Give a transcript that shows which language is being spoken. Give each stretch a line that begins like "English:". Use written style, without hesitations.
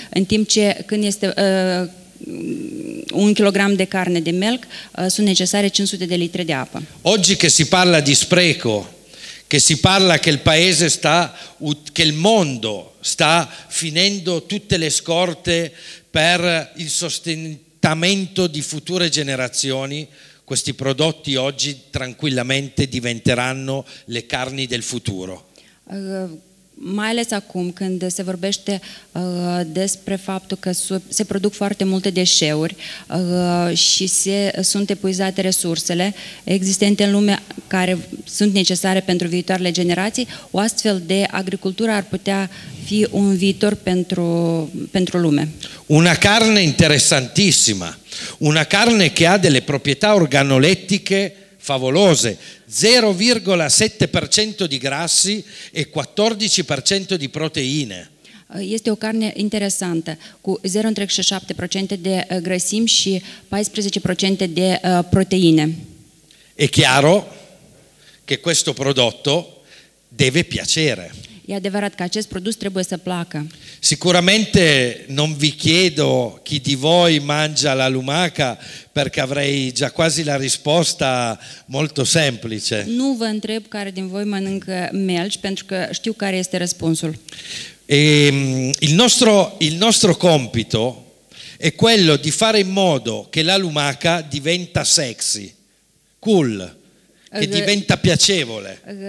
Romanian: În timp ce când este un kilogram de carne de melc sunt necesare 500 de litri de apă.
Italian: Oggi che si parla di spreco, che si parla che il paese sta, che il mondo sta finendo tutte le scorte per il sostentamento di future generazioni, questi prodotti oggi tranquillamente diventeranno le carni del futuro.
Romanian: Mai ales acum când se vorbește despre faptul că se produc foarte multe deșeuri și sunt epuizate resursele existente în lume care sunt necesare pentru viitoarele generații, o astfel de agricultură ar putea fi un viitor pentru lume.
Italian: Una carne interesantissima, una carne che ha delle proprietà organolettiche favolose, 0,7% di grassi e 14% di proteine.
Romanian: Este o carne interesantă, cu 0,7% de grăsimi și 14% de proteine.
Italian: È chiaro che questo prodotto deve piacere.
Romanian: E adevărat că acest produs trebuie să placă.
Italian: Sicuramente non vi chiedo chi di voi mangia la lumaca, perché avrei già quasi la risposta molto semplice.
Romanian: Nu vă întreb care din voi mănâncă melci, pentru că știu care este răspunsul.
Italian: E, il nostro compito è quello di fare in modo che la lumaca diventa sexy, cool, che diventa piacevole.